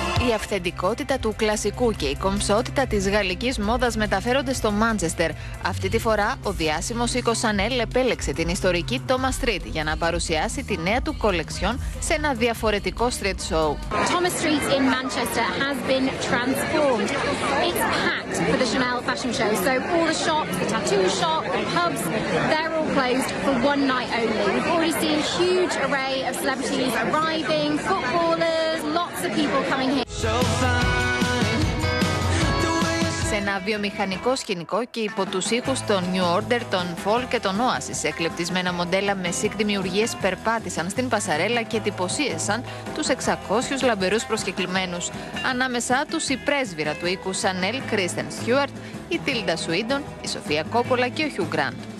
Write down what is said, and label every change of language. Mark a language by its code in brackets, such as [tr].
[el] Η αυθεντικότητα του κλασικού και η κομψότητα της γαλλικής μόδας μεταφέρονται στο Μάντσεστερ. Αυτή τη φορά, ο διάσημος Σίκο Σανέλ επέλεξε την ιστορική Thomas Street για να παρουσιάσει τη νέα του κολεξιόν σε ένα διαφορετικό street show. [en] Thomas Street in Manchester has been transformed. It's packed for the Chanel fashion show. So all the shops, the tattoo shop, the pubs, they're all closed for one night only. We've already seen a huge array of celebrities arriving, footballers, lots of people coming here. [el] Σε ένα βιομηχανικό σκηνικό και υπό τους ήχους των New Order, των Fall και των Oasis, εκλεπτισμένα μοντέλα με σικ δημιουργίες περπάτησαν στην πασαρέλα και εντυπωσίασαν τους 600 λαμπερούς προσκεκλημένους. Ανάμεσά τους η πρέσβυρα του οίκου Σανέλ, Κρίστεν Στιούαρτ, η Τίλντα Σουίντον, η Σοφία Κόπολα και ο Χιου Γκραντ.